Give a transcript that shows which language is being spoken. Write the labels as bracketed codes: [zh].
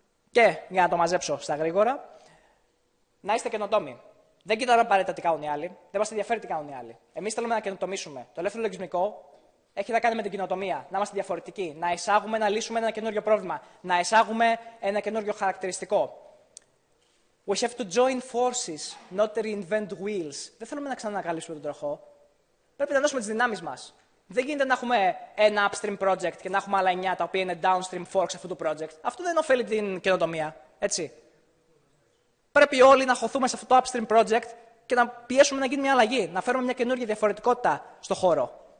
[el] Και για να το μαζέψω στα γρήγορα, να είστε καινοτόμοι. Δεν κοιτάμε απαραίτητα τι κάνουν οι άλλοι. Δεν μας ενδιαφέρει τι κάνουν οι άλλοι. Εμείς θέλουμε να καινοτομήσουμε. Το ελεύθερο λογισμικό έχει να κάνει με την καινοτομία. Να είμαστε διαφορετικοί. Να εισάγουμε, να λύσουμε ένα καινούριο πρόβλημα. Να εισάγουμε ένα καινούριο χαρακτηριστικό. [en] We have to join forces, not reinvent wheels. [el] Δεν θέλουμε να ξανανακαλύψουμε τον τροχό. Πρέπει να ενώσουμε τις δυνάμεις μας. Δεν γίνεται να έχουμε ένα upstream project και να έχουμε άλλα 9 τα οποία είναι downstream forks αυτού του project. Αυτό δεν ωφέλει την καινοτομία. Έτσι. Πρέπει όλοι να χωθούμε σε αυτό το upstream project και να πιέσουμε να γίνει μια αλλαγή, να φέρουμε μια καινούργια διαφορετικότητα στο χώρο.